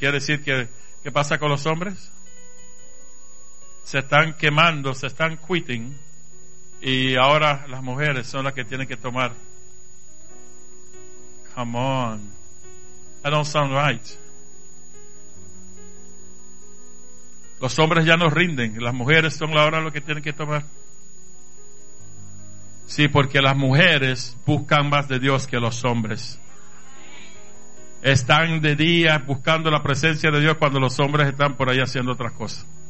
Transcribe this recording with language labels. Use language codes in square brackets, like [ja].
[es] Quiere decir que, ¿qué pasa con los hombres? Se están quemando, se están quitting, y ahora las mujeres son las que tienen que tomar. [en] Come on, that don't sound right. [es] Los hombres ya no rinden, las mujeres son ahora las que tienen que tomar. Sí, porque las mujeres buscan más de Dios que los hombres. Están de día buscando la presencia de Dios cuando los hombres están por ahí haciendo otras cosas.